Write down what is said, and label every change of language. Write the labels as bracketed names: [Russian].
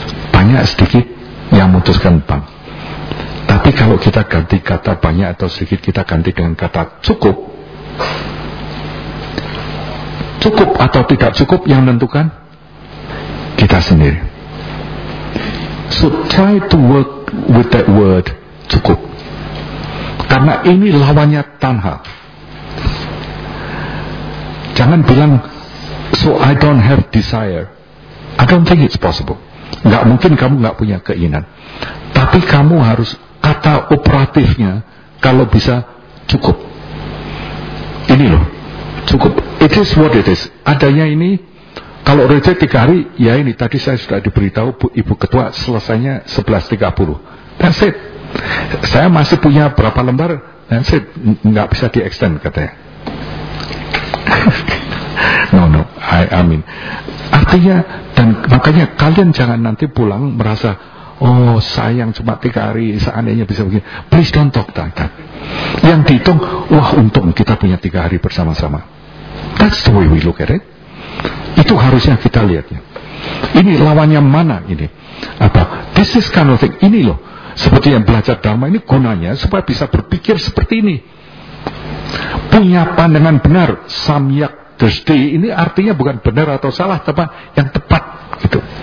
[Indonesian] Banyak sedikit yang memutuskan bank. Tapi kalau kita ganti kata banyak atau sedikit, kita ganti dengan kata cukup. Cukup atau tidak cukup yang menentukan kita sendiri. [English] So try to work with that word, [Indonesian] cukup. Karena ini lawannya tanha. Jangan bilang, [English] so I don't have desire. I don't think it's possible. [Indonesian] Gak mungkin kamu gak punya keinginan. Tapi kamu harus kata operatifnya, kalau bisa, cukup. Ini loh, cukup. [English] It is what it is. [Indonesian] Adanya ini, Kalau retreat 3 hari, ya ini tadi saya sudah diberitahu Ibu Ketua selesainya 11.30. [English] That's it. [Indonesian] Saya masih punya berapa lembar, [English] that's it. [Indonesian] Nggak bisa di-extend katanya. [English] No, I mean. [Indonesian] Artinya, dan makanya kalian jangan nanti pulang merasa, oh sayang cuma 3 hari, seandainya bisa begini. [English] Please don't talk like that. [Indonesian] Yang dihitung, wah untung kita punya 3 hari bersama-sama. [English] That's the way we look at it. [Indonesian] Itu harusnya kita lihatnya. Ini lawannya mana ini? Apa? [English] This is kind of thing. [Indonesian] Ini loh. Seperti yang belajar Dharma ini gunanya supaya bisa berpikir seperti ini. Punya pandangan benar. Samyak Drishti ini artinya bukan benar atau salah, tapi yang tepat. Gitu.